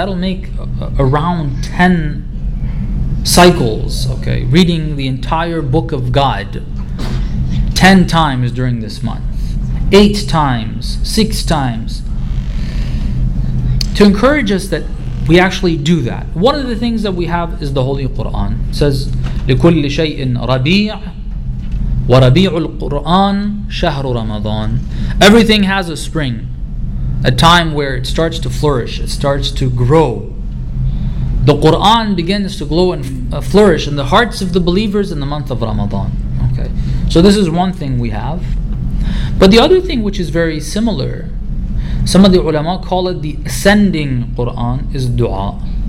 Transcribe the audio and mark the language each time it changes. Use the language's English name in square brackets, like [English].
[English] That'll make around 10 cycles, okay? Reading the entire book of God 10 times during this month. 8 times, 6 times. To encourage us that we actually do that. One of the things that we have is the Holy Quran. It says, [Arabic] لِكُلِّ شَيْءٍ رَبِيعٍ وَرَبِيعُ الْقُرْآنِ شَهْرُ رَمَضَانِ. [English] Everything has a spring, a time where it starts to flourish, it starts to grow. The Qur'an begins to glow and flourish in the hearts of the believers in the month of Ramadan. Okay, so this is one thing we have. But the other thing which is very similar, some of the ulama call it the ascending Qur'an, is dua.